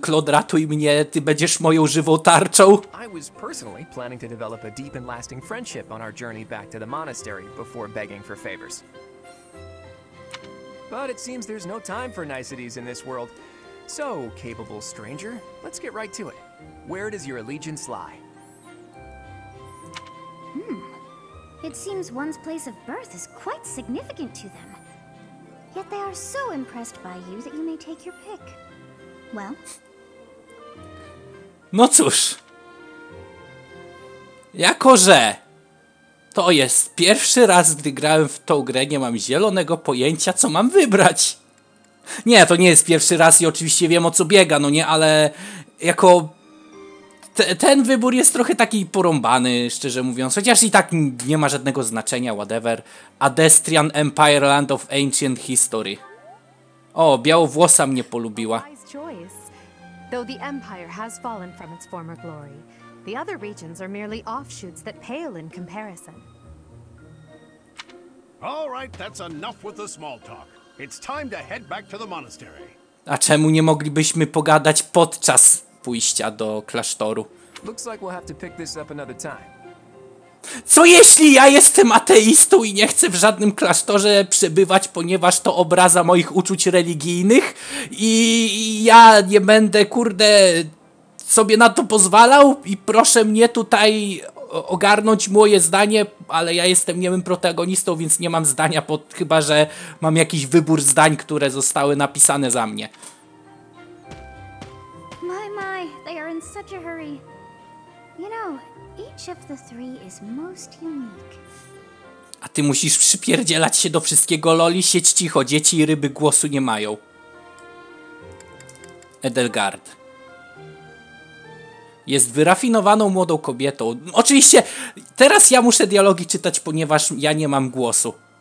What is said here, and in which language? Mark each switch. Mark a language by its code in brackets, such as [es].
[pl] Claude, ratuj mnie, ty będziesz moją żywą tarczą. [en] I was personally planning to develop a deep and lasting friendship on our journey back to the monastery before begging for favors. But it seems there's no time for niceties in this world. So, capable stranger, let's get right to it. Where does your allegiance lie? It seems one's place of birth is quite significant to them. Yet they are so impressed by you that you may take your pick. Well? [pl] No cóż. Jako że to jest pierwszy raz, gdy grałem w tą grę, nie mam zielonego pojęcia, co mam wybrać. Nie, to nie jest pierwszy raz i oczywiście wiem, o co biega, no nie, ale jako... Ten wybór jest trochę taki porąbany, szczerze mówiąc, chociaż i tak nie ma żadnego znaczenia, whatever. [en] Adestrian Empire, Land of Ancient History. [pl] O, białowłosa mnie polubiła. [en] Though the Empire has fallen from its former glory, the other regions are merely offshoots that pale in comparison. All right, that's enough with the small talk. It's time to head back to the monastery. [pl] A czemu nie moglibyśmy pogadać podczas pójścia do klasztoru? [en] Looks like we'll have to pick this up another time. [pl] Co jeśli ja jestem ateistą i nie chcę w żadnym klasztorze przebywać, ponieważ to obraza moich uczuć religijnych i ja nie będę, kurde, sobie na to pozwalał i proszę mnie tutaj ogarnąć moje zdanie, ale ja jestem niemym protagonistą, więc nie mam zdania, chyba że mam jakiś wybór zdań, które zostały napisane za mnie. [en] They are in such a hurry. You know, each of the three is most unique. [pl] A ty musisz przypierdzielać się do wszystkiego, Loli. Siedź cicho, dzieci i ryby głosu nie mają. [en] Edelgard. [pl] Jest wyrafinowaną młodą kobietą. Oczywiście, teraz ja muszę dialogi czytać, ponieważ ja nie mam głosu.